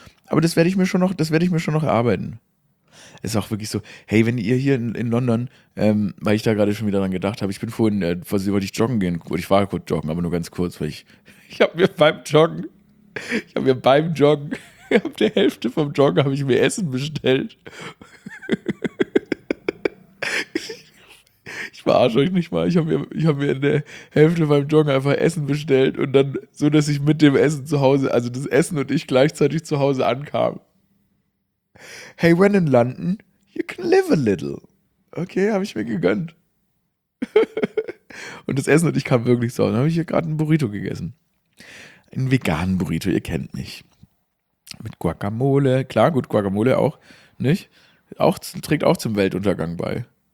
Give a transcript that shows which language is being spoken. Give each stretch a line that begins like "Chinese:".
German: Aber das werde ich mir schon noch erarbeiten. Ist auch wirklich so, hey, wenn ihr hier in London, weil ich da gerade schon wieder dran gedacht habe, ich bin vorhin, wollte ich joggen gehen, ich war kurz joggen, aber nur ganz kurz, weil ich habe der Hälfte vom Joggen habe ich mir Essen bestellt. Ich verarsche euch nicht mal. Ich hab mir in der Hälfte beim Joggen einfach Essen bestellt und dann so, dass ich mit dem Essen zu Hause, also das Essen und ich gleichzeitig zu Hause ankam.
English: Hey, when in London, you can live a little.
German: Okay, habe ich mir gegönnt. Und das Essen und ich kam wirklich zu Hause. Dann habe ich hier gerade einen Burrito gegessen. Einen veganen Burrito, ihr kennt mich. Mit Guacamole. Klar, gut, Guacamole auch, nicht? Auch, trägt auch zum Weltuntergang bei.